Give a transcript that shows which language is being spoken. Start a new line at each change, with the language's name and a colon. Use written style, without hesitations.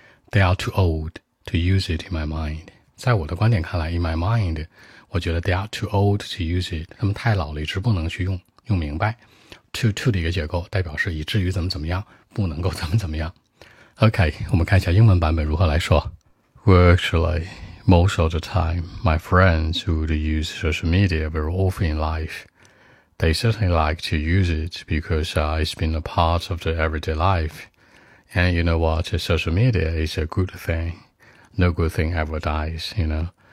English: They are too old to use it in my mind.
Chinese: 在我的观点看来，
English: in my mind,
Chinese: 我觉得
English: they are too old to use it.
Chinese: 他们太老了，一直不能去用，用明白。to 的一个结构代表是以至于怎么怎么样，不能够怎么怎么样。 OK, 我们看一下英文版本如何来说。
English: Well, actually, most of the time, my friends would use social media very often in life. They certainly like to use it because it's been a part of their everyday life. And you know what? Social media is a good thing. No good thing ever dies, you know.